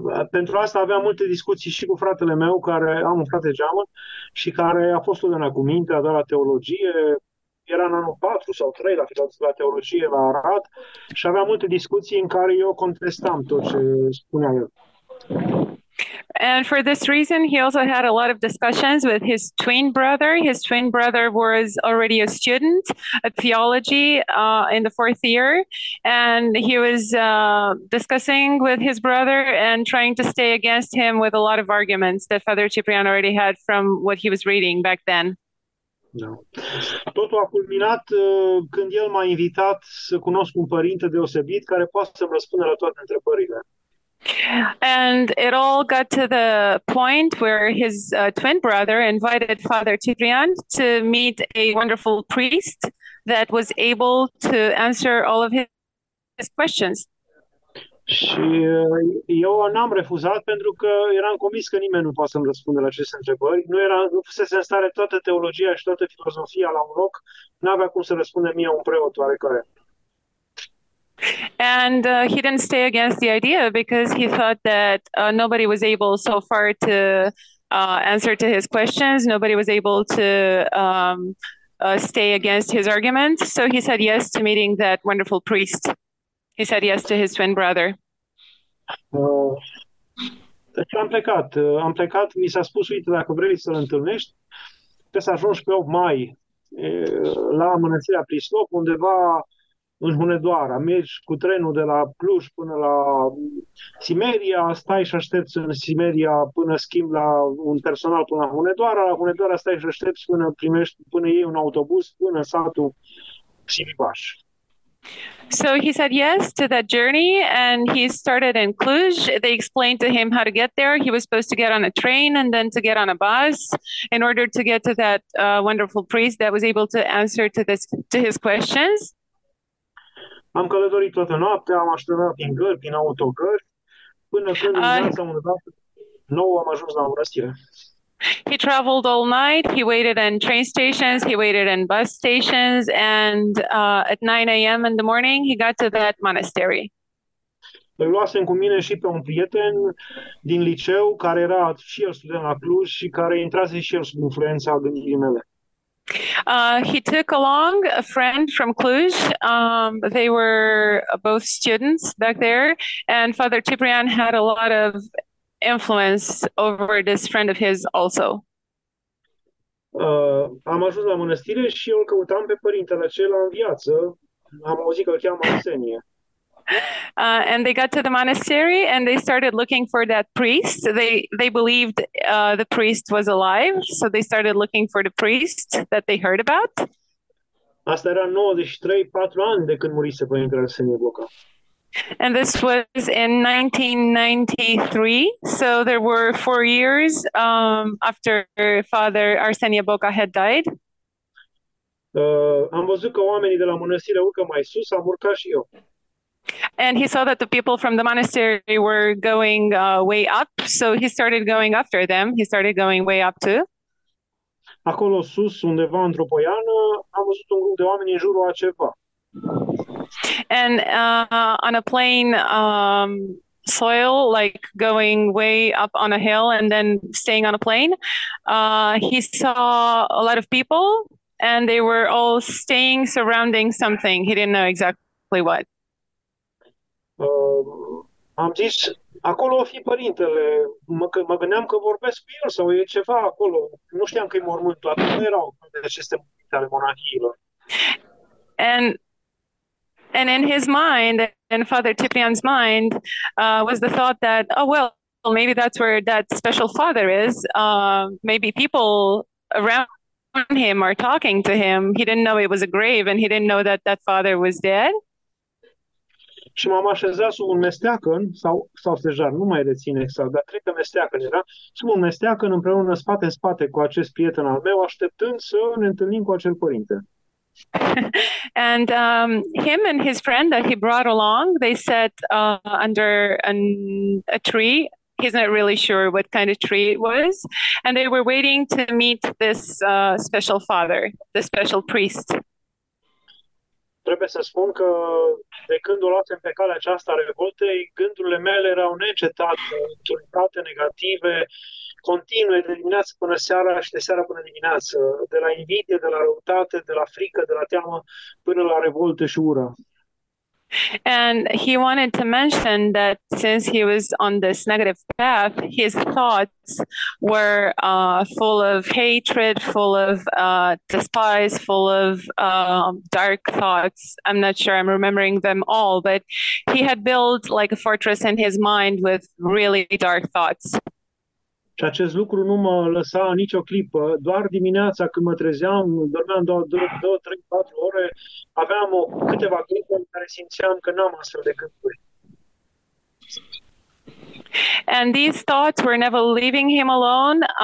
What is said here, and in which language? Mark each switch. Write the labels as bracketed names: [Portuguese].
[Romanian] Pentru asta aveam multe discuții și cu fratele meu, care am un frate geamăn și care a fost studenat cu minte, a dat la teologie, era în anul 4 sau 3 la teologie la Arad, și aveam multe discuții în care eu contestam tot ce spunea el. [English] And for this reason, he also had a lot of discussions with his twin brother. His twin brother was already a student at theology in the fourth year. And he was discussing with his brother and trying to stay against him with a lot of arguments that Father Ciprian already had from what he was reading back then. No. [Romanian] Totul a culminat când el m-a invitat să cunosc un părinte deosebit care poate să-mi răspundă la toate întrebările. [English] And it all got to the point where his twin brother invited Father Ciprian to meet a wonderful priest that was able to answer all of his questions. [Romanian] Și eu n-am refuzat pentru că eram convins că nimeni nu poate să-mi răspundă la aceste întrebări. Nu fusese în stare toată teologia și toată filozofia la un loc. N-avea cum să răspundă mie un preot oarecare. [English] And he didn't stay against the idea because he thought that nobody was able so far to answer to his questions. Nobody was able to stay against his argument. So he said yes to meeting that wonderful priest. He said yes to his twin brother. [Romanian] Deci am plecat. Am plecat. Mi s-a spus, uite, dacă vrei să-l întâlnești, trebuie să ajungi pe 8 mai la mănăstirea Prislop, undeva în Hunedoara, mergi cu trenul de la Cluj până la Simeria, stai și aștepți în Simeria până schimb la un personal până la Hunedoara, la Hunedoara stai și aștepți până iei un autobuz până în satul Silibaș. [English] So he said yes to that journey, and he started in Cluj. They explained to him how to get there. He was supposed to get on a train and then to get on a bus in order to get to that wonderful priest that was able to answer to this to his questions. [Romanian] Am călătorit toată noaptea, am așteptat în gări, prin autogări, până când dimineața undeva, nouă am ajuns la mănăstire. [English] He traveled all night. He waited in train stations. He waited in bus stations. And at 9 a.m. in the morning, he got to that monastery. [Romanian] Îl luasem cu mine și pe un prieten din liceu, care era și el student la Cluj și care intrase și el sub influența gândirii mele. [English] He took along a friend from Cluj. They were both students back there. And Father Ciprian had a lot of influence over this friend of his also. [Romanian] Am ajuns la mănăstire și eu îl căutam pe părintele acela în viață. Am auzit că îl cheamă Arsenie. [English] And they got to the monastery and they started looking for that priest. They believed the priest was alive, so they started looking for the priest that they heard about. [Romanian] Asta era 93-4 ani de când murise părintele Arsenie Boca. [English] And this was in 1993, so there were 4 years after Father Arsenie Boca had died. [Romanian] Am văzut că oamenii de la mănăstire urcă mai sus, am urcat și eu. [English] And he saw that the people from the monastery were going way up, so he started going after them. He started going way up too. [Romanian] Acolo sus, undeva într-o poiană, am văzut un grup de oameni în jurul a ceva. [English] And on a plain soil, like going way up on a hill and then staying on a plain, he saw a lot of people and they were all staying surrounding something. He didn't know exactly what. [Romanian] Am zis, acolo o fi părintele. Mă gândeam că vorbesc cu el sau e ceva acolo. Nu știam că e mormântul. Atunci nu erau de aceste mormânte ale monahiilor. [English] And in his mind, in Father Tipian's mind, was the thought that, oh, well, maybe that's where that special father is. Maybe people around him are talking to him. He didn't know it was a grave, and he didn't know that that father was dead. [Romanian] Și m-am așezat sub un mesteacăn, sau stejar, nu mai rețin exact, dar cred că mesteacăn era, sub un mesteacăn împreună spate în spate cu acest prieten al meu, așteptând să ne întâlnim cu acel părinte. [English] And him and his friend that he brought along, they sat under a tree. He's not really sure what kind of tree it was. And they were waiting to meet this special father, the special priest. [Romanian] Trebuie să spun că de când o luasem pe calea aceasta a revoltei, gândurile mele erau neîncetat, întunecate, negative, continue, de dimineață până seara și de seara până dimineață, de la invidie, de la răutate, de la frică, de la teamă, până la revoltă și ură. [English] And he wanted to mention that since he was on this negative path, his thoughts were full of hatred, full of despise, full of dark thoughts. I'm not sure I'm remembering them all, but he had built like a fortress in his mind with really dark thoughts. [Romanian] Și acest lucru nu mă lăsa nicio clipă, doar dimineața când mă trezeam, dormeam doar 2-3-4 ore, aveam câteva clipe în care simțeam că n-am astfel de gânduri. [English] And these thoughts were never leaving him alone.